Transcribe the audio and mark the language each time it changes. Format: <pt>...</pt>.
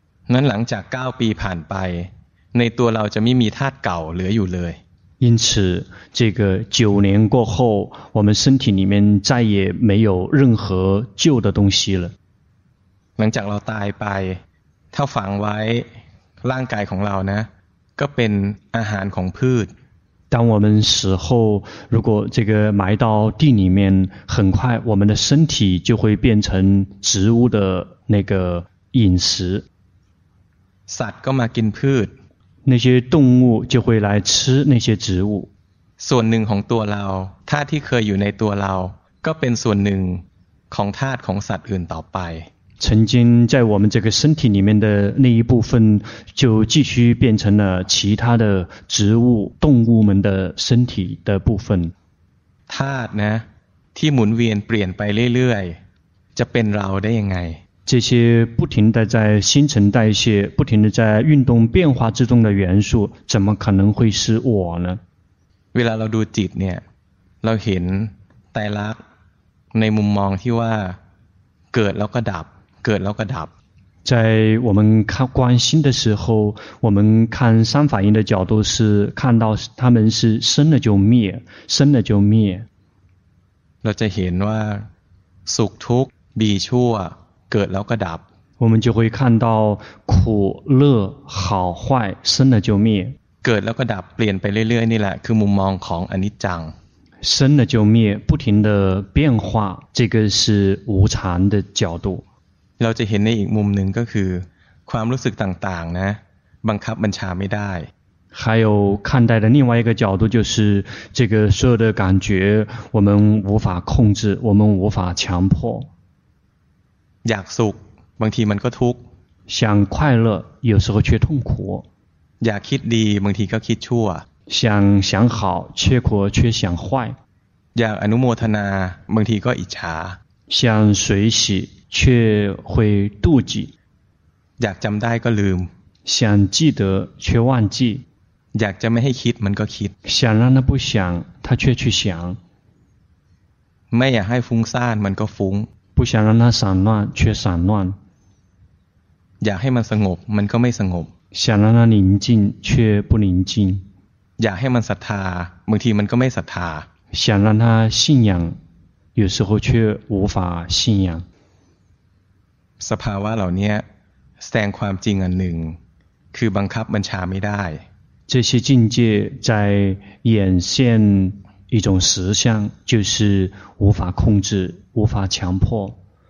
<th>นั้นหลังจาก9ปีผ่านไปในตัวเราจะไม่มีธาตุเก่าเหลืออยู่เลย。</th> <zh>因此，这个九年过后，我们身体里面再也没有任何旧的东西了。</zh> <th>หลังจากเราตายไปถ้าฝังไว้ร่างกายของเรานะก็เป็นอาหารของพืช。</th> <zh>当我们死后如果这个埋到地里面很快我们的身体就会变成植物的那个饮食</zh> <th>สัตว์ก็มากินพืช</th> <zh>那些动物就会来吃那些植物</zh> <th>ส่วนหนึ่งของตัวเราธาตุที่เคยอยู่ในตัวเราก็เป็นส่วนหนึ่งของธาตุของสัตว์อื่นต่อไป</th> <zh>曾经在我们这个身体里面的那一部分就继续变成了其他的植物动物们的身体的部分</zh> <th>ธาตุนะที่หมุนเวียนเปลี่ยนไปเรื่อยๆจะเป็นเราได้ยังไง</th> <zh>这些不停的在新陈代谢不停的在运动变化之中的元素怎么可能会是我呢</zh> <th>เวลาเราดูจิตเนี่ยเราเห็นไตรลักษณ์ในมุมมองที่ว่าเกิดแล้วก็ดับเกิดแล้วก็ดับ</th> <zh>在我们看观心的时候我们看三法印的角度是看到他们是生了就灭生了就灭</zh> <th>เราจะเห็นว่าสุขทุกข์ดีชั่วเกิดแล้วก็ดับ</th> <zh>我们就会看到苦乐好坏生了就灭</zh> <th>เกิดแล้วก็ดับเปลี่ยนไปเรื่อยๆนี่แหละคือมุมมองของอนิจจัง</th> <zh>生了就灭不停的变化这个是无常的角度</zh> <th>เราจะเห็นในอีกมุมหนึ่งก็คือความรู้สึกต่างๆนะบังคับบัญชาไม่ได้</th> <zh>还有看待的另外一个角度，就是这个所有的感觉，我们无法控制，我们无法强迫。</zh> <th>อยากสุขบางทีมันก็ทุกข์</th> <zh>想快乐有时候却痛苦</zh> <th>อยากคิดดีบางทีก็คิดชั่ว</th> <zh>想好结果却想坏</zh> <th>อยากอนุโมทนาบางทีก็อิจฉา</th> <zh>想随喜却会妒忌</zh> <th>อยากจำได้ก็ลืม</th> <zh>想记得却忘记</zh> <th>อยากจะไม่ให้คิดมันก็คิด</th> <zh>想让他不想他却去想</zh> <th>ไม่อยากให้ฟุ้งซ่านมันก็ฟุ้ง</th> <zh>不想让他散乱却散乱</zh> <th>อยากให้มันสงบมันก็ไม่สงบ</th> <zh>想让他宁静却不宁静</zh> <th>อยากให้มันศรัทธาบางทีมันก็ไม่ศรัทธา</th> <zh>想让他信仰有时候却无法信仰</zh> <th>สภาวะเหล่านี้แสดงความจริงอันหนึ่งคือบังคับบัญชาไม่ได้</th> <zh>这些境界在显现一种实相，就是无法控制，无法强迫。</zh>